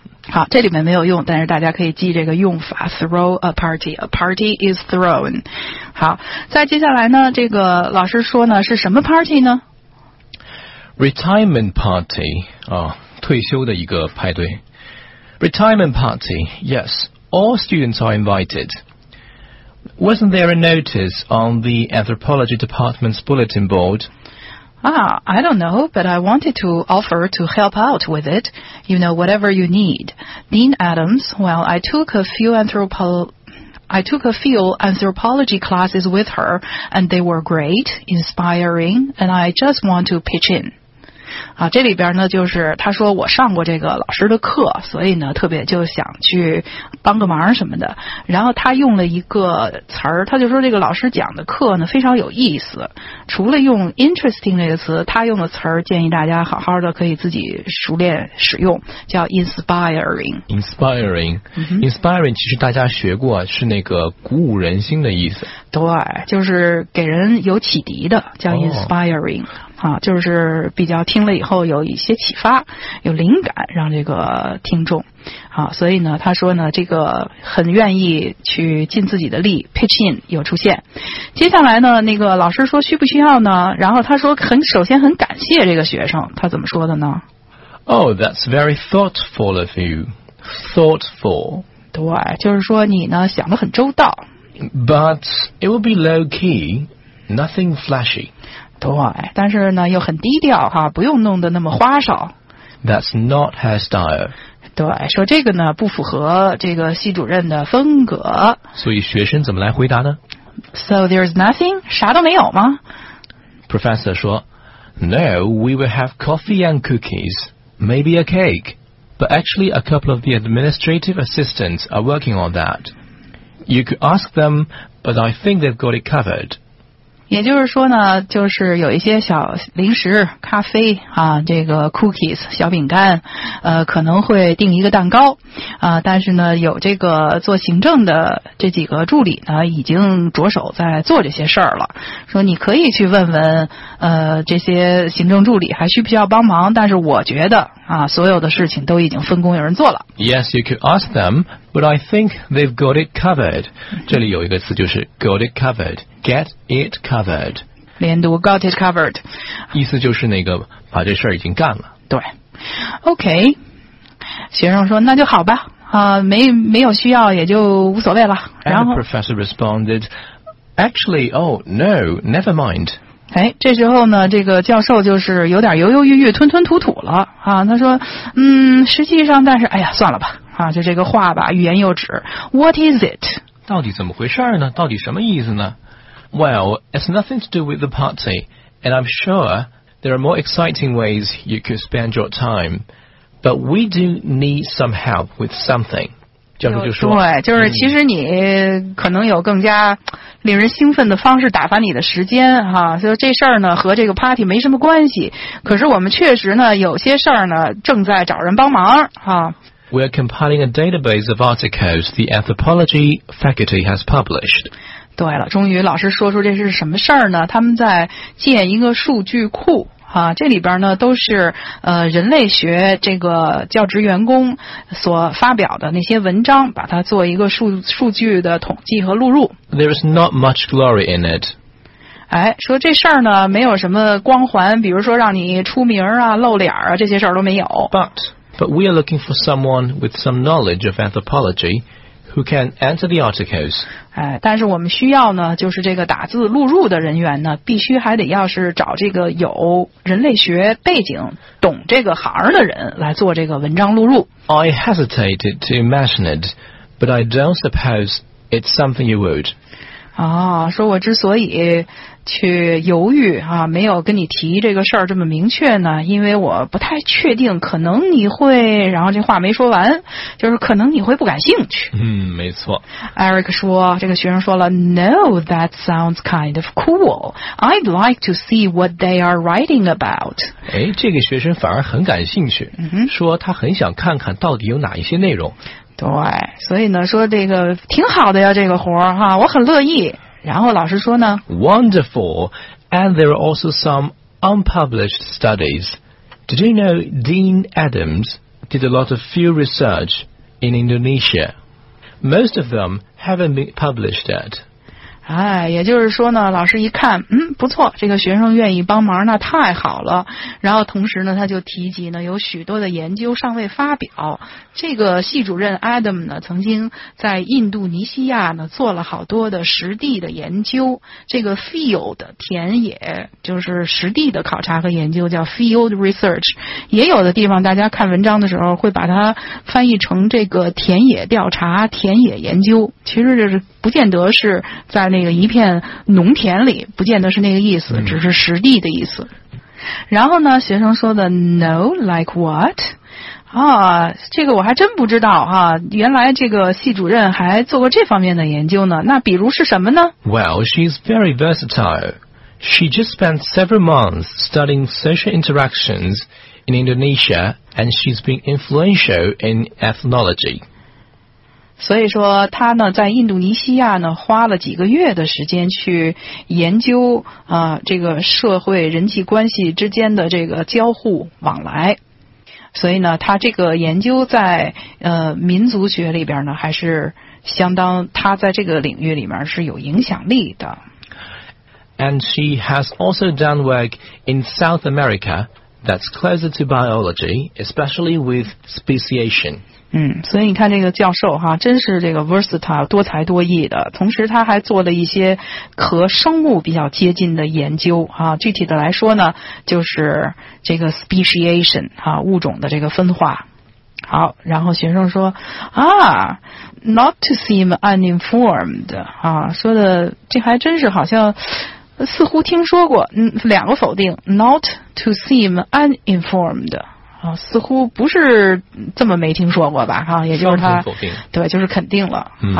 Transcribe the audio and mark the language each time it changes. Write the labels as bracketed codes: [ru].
[zh] 好，这里面没有用，但是大家可以记这个用法 [en] throw a party, a party is thrown。 [zh] 好，再接下来呢这个老师说呢是什么 party 呢？ [en] Retirement party、 [zh] 退休的一个派对。 [en] Retirement party, yes, all students are invited. Wasn't there a notice on the anthropology department's bulletin board? I don't know, but I wanted to offer to help out with it, you know, whatever you need. Dean Adams, well, I took a few anthropology classes with her, and they were great, inspiring, and I just want to pitch in. [zh] 啊，这里边呢就是他说我上过这个老师的课，所以呢特别就想去帮个忙什么的，然后他用了一个词儿，他就说这个老师讲的课呢非常有意思，除了用 interesting 这个词，他用的词儿建议大家好好的可以自己熟练使用，叫 inspiring、 mm-hmm. inspiring 其实大家学过是那个鼓舞人心的意思，对，就是给人有启迪的叫 inspiring、就是比较听了以后有一些启发，有灵感，让这个听众啊，所以呢他说呢这个很愿意去尽自己的力 pitch in 有出现。接下来呢那个老师说需不需要呢，然后他说很首先很感谢这个学生，他怎么说的呢？ [en] Oh, that's very thoughtful of you. Thoughtful. [zh] 对，就是说你呢想得很周到。 [en] But it will be low key, nothing flashy. [zh] 对，但是呢又很低调哈，不用弄得那么花哨。 [en] That's not her style. [zh] 对，说这个呢不符合这个系主任的风格。所以学生怎么来回答呢？ [en] So there's nothing? [zh] 啥都没有吗？ [en] Professor 说 No, we will have coffee and cookies, maybe a cake. But actually a couple of the administrative assistants are working on that. You could ask them, but I think they've got it covered. [zh] 也就是说呢就是有一些小零食咖啡啊，这个 cookies 小饼干可能会订一个蛋糕啊，但是呢有这个做行政的这几个助理呢已经着手在做这些事儿了，说你可以去问问这些行政助理还需不需要帮忙，但是我觉得啊所有的事情都已经分工有人做了。 [en] Yes, you could ask them, but I think they've got it covered. [zh] 这里有一个词就是 got it covered,Get it covered. [en] 连读 got it covered. [zh] 意思就是那个把这事儿已经干了。对。OK. 学生说那就好吧。没有需要也就无所谓了。然后 [en] the professor responded, actually, oh, no, never mind. [zh] 哎，这时候呢这个教授就是有点犹犹豫豫吞吞吐吐了啊，他说实际上但是哎呀算了吧啊，就这个话吧欲言又止。 [en] What is it? [zh] 到底怎么回事呢，到底什么意思呢？ [en] Well, it's nothing to do with the party, and I'm sure there are more exciting ways you could spend your time. But we do need some help with something. [zh] 教授就说，对，就是其实你可能有更加令人兴奋的方式打发你的时间哈。所以这事儿呢和这个 party 没什么关系，可是我们确实呢有些事儿呢正在找人帮忙哈。 [en] We are compiling a database of articles the anthropology faculty has published. [zh] 对了，终于老师说出这是什么事儿呢，他们在建一个数据库啊，这里边呢都是人类学这个教职员工所发表的那些文章，把它做一个数据的统计和录入。 [en] There is not much glory in it. [zh] 哎，说这事儿呢没有什么光环，比如说让你出名啊、露脸啊，这些事儿都没有。 [en] But we are looking for someone with some knowledge of anthropology who can answer the articles. [zh] 哎，但是我们需要呢，就是这个打字录入的人员呢，必须还得要是找这个有人类学背景、懂这个行的人来做这个文章录入。 [en] I hesitated to imagine it, but I don't suppose it's something you would. [zh] 哦，说我之所以去犹豫啊，没有跟你提这个事儿这么明确呢，因为我不太确定，可能你会，然后这话没说完，就是可能你会不感兴趣。嗯，没错。 [en] Eric [zh] 说，这个学生说了 [en] ，No, that sounds kind of cool. I'd like to see what they are writing about. [zh] 哎，这个学生反而很感兴趣，嗯，说他很想看看到底有哪一些内容。对，所以呢，说这个挺好的呀，这个活儿哈，我很乐意。然后老师说呢 [en] ，Wonderful, and there are also some unpublished studies. Did you know Dean Adams did a lot of field research in Indonesia? Most of them haven't been published yet. [zh] 哎，也就是说呢，老师一看，嗯，不错，这个学生愿意帮忙，那太好了。然后同时呢，他就提及呢，有许多的研究尚未发表。这个系主任 Adam 呢，曾经在印度尼西亚呢做了好多的实地的研究。这个 field 田野就是实地的考察和研究，叫 field research。也有的地方大家看文章的时候会把它翻译成这个田野调查、田野研究。其实这是不见得是在那个一片农田里，不见得是那个意思，只是实地的意思。然后呢，学生说的 [en] No, like what? [zh] 啊，这个我还真不知道哈、啊。原来这个系主任还做过这方面的研究呢。那比如是什么呢 [en] ？Well, she's very versatile. She just spent several months studying social interactions in Indonesia, and she's been influential in ethnology. [zh] 所以说，她呢在印度尼西亚呢花了几个月的时间去研究啊、这个社会人际关系之间的这个交互往来。所以呢，他这个研究在民族学里边呢，还是相当，他在这个领域里面是有影响力的。 [en] And she has also done work in South America that's closer to biology, especially with speciation. [zh] 嗯，所以你看这个教授哈，真是这个 versatile 多才多艺的。同时，他还做了一些和生物比较接近的研究啊。具体的来说呢，就是这个 speciation 啊，物种的这个分化。好，然后学生说啊 ， [en] not to seem uninformed [zh] 啊，说的这还真是好像似乎听说过。嗯，两个否定 ， [en] not to seem uninformed。 [zh] 哦、似乎不是这么没听说过吧哈、啊、也就是他对就是肯定了、